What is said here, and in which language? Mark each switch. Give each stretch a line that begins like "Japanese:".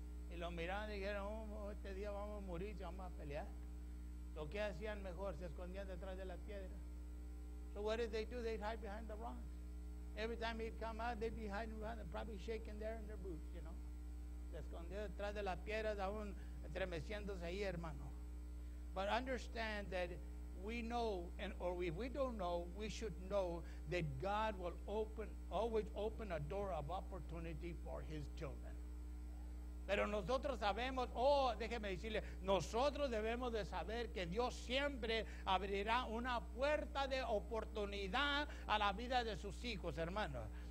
Spanish: Y lo miraron y dijeron, oh, este día vamos a morir, vamos a pelear. Lo que hacían mejor, se escondían detrás de la piedra.
English: So what did they do? They'd hide behind the rocks. Every time he'd come out, they'd be hiding around and probably shaking there in their boots.
Spanish: Detrás de las piedras aún estremeciéndose ahí, hermano.
English: But understand that we know, and or if we don't know, we should know that God will always open a door of opportunity for his children.
Spanish: Pero nosotros sabemos, déjeme decirle, nosotros debemos de saber que Dios siempre abrirá una puerta de oportunidad a la vida de sus hijos, hermano.